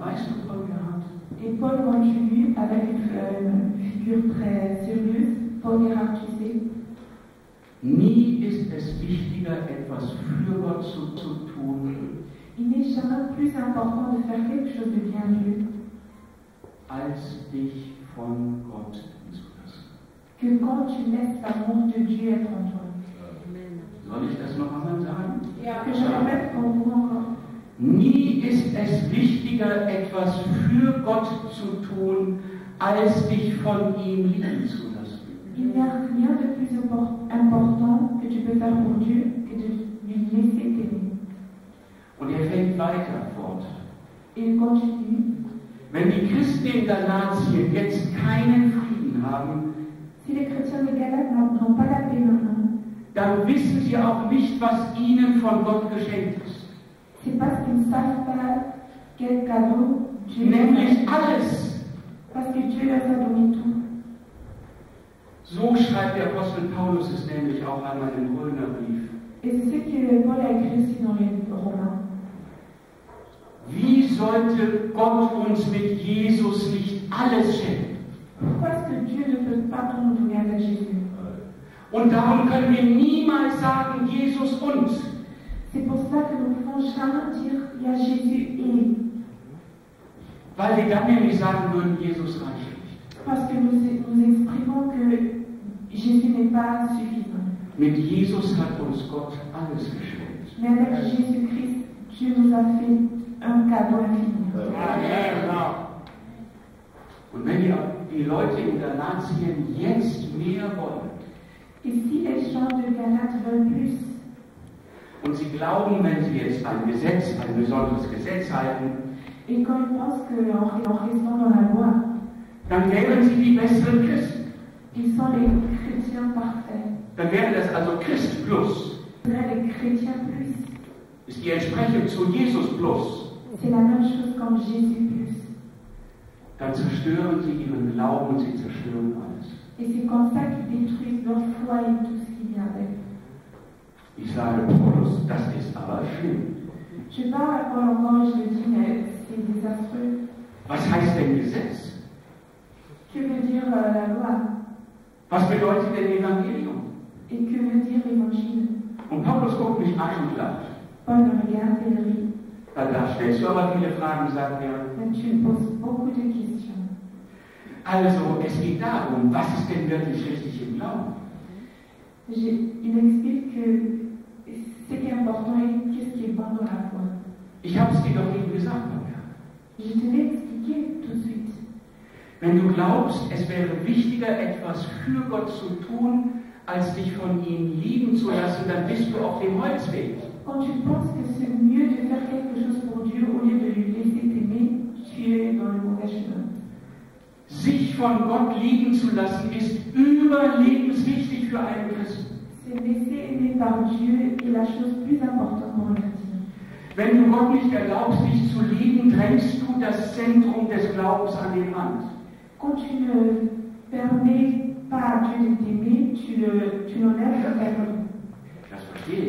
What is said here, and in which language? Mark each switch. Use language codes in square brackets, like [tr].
[de] Weißt du, Paul Gerhard? [fr] Et Paul continue avec une figure très sérieuse. Paul Gerhard, tu sais. [de] Nie ist es wichtiger, etwas für Gott zu tun. [fr] Il n'est jamais plus important de faire quelque chose de bien Dieu. [de] Als dich von Gott zu lassen. [fr] Que quand tu laisses l'amour de Dieu être en toi. [de] Amen. Soll ich das noch einmal sagen? [fr] Ja, que je répète pour vous encore. [de] Nie ist es wichtiger, etwas für Gott zu tun, als dich von ihm lieben zu lassen. [fr] Il n'y a rien de plus important que tu peux faire pour Dieu que de lui laisser t'aimer. [de] Und er fängt weiter fort. [fr] Il continue. [de] Wenn die Christen in Galatien jetzt keinen Frieden haben, [fr] si les chrétiens de Galate n'ont pas la paix maintenant, [de] dann wissen sie auch nicht, was ihnen von Gott geschenkt ist. [fr] C'est parce qu'ils ne savent pas quel cadeau Dieu leur a donné. [de] Nämlich alles. [fr] Parce que Dieu leur a donné tout. [de] So schreibt der Apostel Paulus es nämlich auch einmal im Römerbrief. [fr] Et c'est ce que Paul a écrit aussi dans les Romains. [de] Wie sollte Gott uns mit Jesus nicht alles schenken? [fr] Pourquoi est-ce que Dieu ne peut pas nous donner avec Jésus? [de] Und darum können wir niemals sagen, Jesus uns. [fr] C'est pour ça que nous ne pouvons jamais dire il y a Jésus et nous. [de] Weil wir dann nämlich sagen würden, Jesus reicht nicht. [fr] Parce que nous exprimons que Jésus n'est pas suffisant. [de] Mit Jesus hat uns Gott alles geschenkt. [fr] Mais avec Jésus-Christ, Dieu nous a fait un cadeau infini. [de] Amen. Und wenn die Leute in Galatien jetzt mehr wollen. [fr] Et si les gens de Galate veulent plus. [de] Und sie glauben, wenn sie jetzt ein Gesetz, ein besonderes Gesetz halten, [fr] et quand ils pensent que en restant dans la loi, [de] dann wären sie die besseren Christen. [fr] Ils sont les chrétiens parfaits. [de] Dann wäre das also Christ plus. [fr] Les chrétiens plus. [de] Ist die Entsprechung zu Jesus plus. [fr] C'est la même chose comme Jésus plus. [de] Dann zerstören sie ihren Glauben und sie zerstören alles. [fr] Et c'est comme ça qu'ils détruisent leur foi et tout ce qui vient avec. [de] Ich sage, Paulus, das ist aber schlimm. [fr] Je parle à Paul encore, je le dis, mais c'est désastreux. [de] Was heißt denn Gesetz? [fr] Que veut dire la loi? [de] Was bedeutet denn Evangelium? [fr] Et que veut dire l'Évangile? [de] Und Paulus guckt mich an und lacht. [fr] Paul me regarde et rit. [de] Da stellst du aber viele Fragen, sagt er. [fr] Mais tu me poses beaucoup de questions. [de] Also, es geht darum, was ist denn wirklich richtig im Glauben? [fr] Il explique que ce qui est important et qu'est-ce qui est bon dans la foi. [de] Ich habe es dir doch eben gesagt, Maria. [fr] Je te l'ai expliqué tout de suite. [de] Wenn du glaubst, es wäre wichtiger, etwas für Gott zu tun, als dich von ihm lieben zu lassen, dann bist du auf dem Holzweg. [fr] Quand tu penses que c'est mieux de faire quelque chose pour Dieu au lieu de lui laisser t'aimer, tu es dans le mauvais chemin. [de] Sich von Gott lieben zu lassen ist überlebenswichtig für einen Christen. [fr] Se laisser aimer par Dieu est la chose plus importante dans la vie. [de] Wenn du Gott nicht erlaubst, dich zu lieben, trennst du das Zentrum des Glaubens an den Rand. [fr] Quand tu ne permets pas à Dieu de t'aimer, tu n'enlèves pas ta vie.